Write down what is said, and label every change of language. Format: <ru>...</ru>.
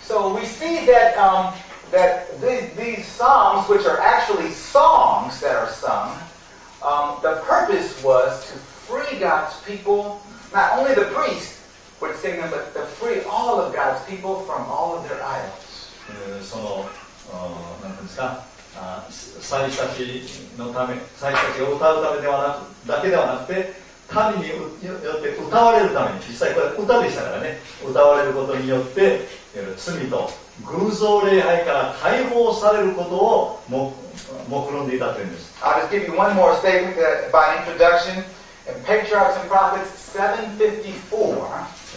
<en>So we see that that these psalms, which are actually songs that are sung, the purpose was to free God's people, not only the priests would sing them, but to free all of God's people from all of their idols.</en> <ja>その、なんていうんですか、祭司たちのため、祭司たちを歌うためではなく、だけではなくて、民によって歌われるために、実際これ歌でしたからね、歌われることによって、罪と偶像礼拝から解放されることを目論んでいたというんです。</ja> <en>I'll just give you one more statement that by introduction. In Patriarchs and Prophets 754,</en>